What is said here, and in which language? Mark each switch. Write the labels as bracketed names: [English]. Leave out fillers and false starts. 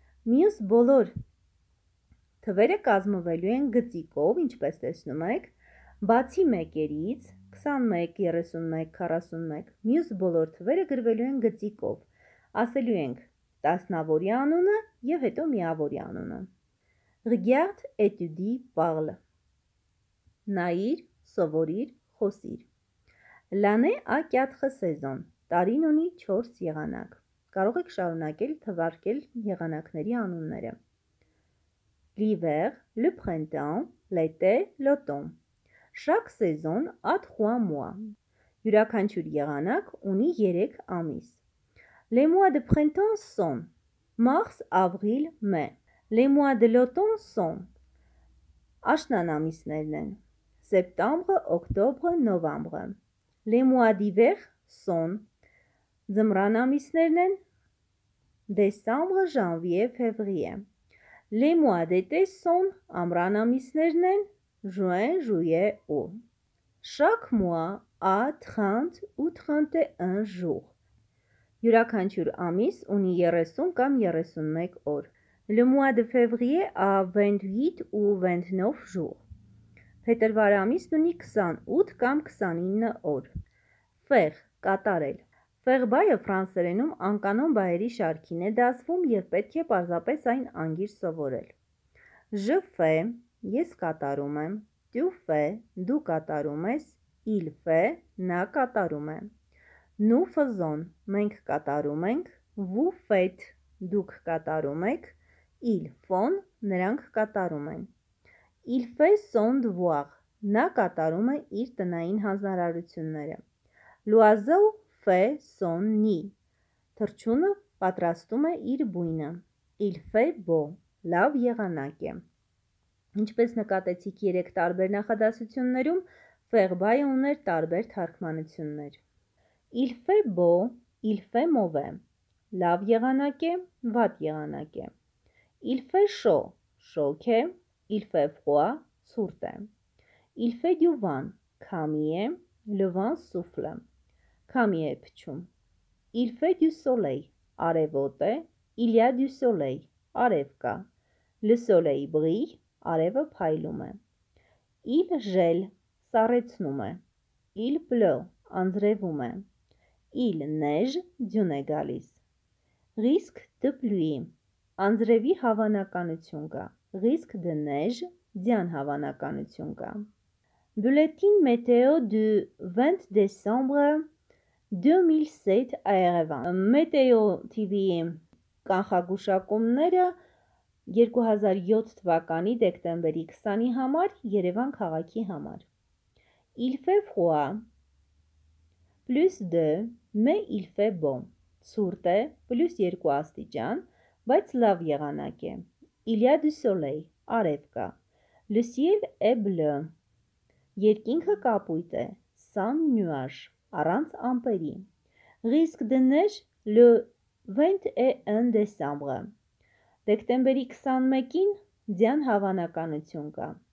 [Armenian] Մյուս բոլոր թվերը կազմվելու են գծիկով, ինչպես տեսնում եք, բացի մեկերից, 21, 31, 41, մյուս բոլոր թվերը գրվելու են գծիկով, ասելու ենք տասնավորի անունը և հետո միավորի անունը. [French] Regarde et tu dis parle. [Armenian] Նայիր, սովորիր, խոսիր. [French] L'année a 4 saisons. [Armenian] Տարին ունի 4 եղանակ. Կարող եք շարունակել թվարկել եղանակների անունները. [French] L'hiver, le printemps, l'été, l'automne. Chaque saison a 3 mois. [Armenian] Յուրաքանչյուր եղանակ ունի 3 ամիս. [French] Les mois de printemps sont mars, avril, mai. Les mois de l'automne sont [Armenian] աշնան ամիսներն են. Սեպտեմբրը, օկտոբրը, նովեմբրը. [French] Les mois d'hiver sont [Armenian] ձմռան ամիսներն են. [French] Décembre, janvier, février. Les mois d'été sont [Armenian] ամռան ամիսներն են. [French] Juin, juillet, août. Chaque mois a 30 ou 31 jours. [Armenian] Յուրաքանչյուր ամիս ունի 30 կամ 31 օր. [French] Le mois de février a 28 ou 29 jours. [Armenian] Փետրվար ամիսն ունի 28 կամ 29 օր. Ֆեղ, կատարել. Ֆեղբայը ֆրանսերենում անկանոն բայերի շարքին է դասվում և պետք է պարզապես այն անգիր սովորել. [French] Je fais, [Armenian] ես կատարում եմ. [French] Tu fais, [Armenian] դու կատարում ես. [French] Il fait, [Armenian] նա կատարում է. [French] Nous faisons, [Armenian] մենք կատարում ենք, [French] vous faites, [Armenian] դուք կատարում եք, [French] ils font, [Armenian] նրանք կատարում են. [French] Il fait son devoir, [Armenian] նա կատարում է իր տնային հանձնարարությունները. [French] L'oiseau fait son nid, [Armenian] թռչունը պատրաստում է իր բույնը. [French] Il fait beau, [Armenian] լավ եղանակ է. Ինչպես նկատեցիք երեք տարբեր նախադասություններում, ֆեղբայը ուներ տարբեր թարգմանություններ. [French] Il fait beau, il fait mauvais. [Armenian] Լավ եղանակ է, վատ եղանակ է. [French] Il fait chaud, [Armenian] շոգ է. [French] Il fait froid, [Armenian] ցուրտ է. [French] Il fait du vent, [Armenian] քամի է. [French] Le vent souffle, [Armenian] քամի է փչում. [French] Il fait du soleil, [Armenian] արևոտ է. [French] Il y a du soleil, [Armenian] արև կա. [French] Le soleil brille, [Armenian] արևը փայլում է. [French] Il gèle, [Armenian] սառեցնում է. [French] Il pleut, [Armenian] անձրևում է. [French] Il neige, [Armenian] ձյուն է գալիս. [French] Risk de pluie, [Armenian] անձրևի հավանականություն կա. [French] Risk de neige, [Armenian] ձյան հավանականություն կա. [French] Bulletin météo du 20 décembre 2007 à Erevan. [Armenian] Meteo TV-ի կանխագուշակումները 2007 թվականի դեկտեմբերի 20-ի համար Երևան քաղաքի համար. [French] Il fait froid. Plus 2, mais il fait bon. [Armenian] Ցուրտ է, [French] plus 2 [Armenian] աստիճան, բայց լավ եղանակ է. [French] Il y a du soleil, [Armenian] արև կա. [French] Le ciel est bleu. [Armenian] Երկինքը կապույտ է, [French] sans nuage, [Armenian] առանց ամպերի. [French] Risque de neige, Le 21 décembre. [Armenian] Դեկտեմբերի 21-ին Դյան հավանականություն կա.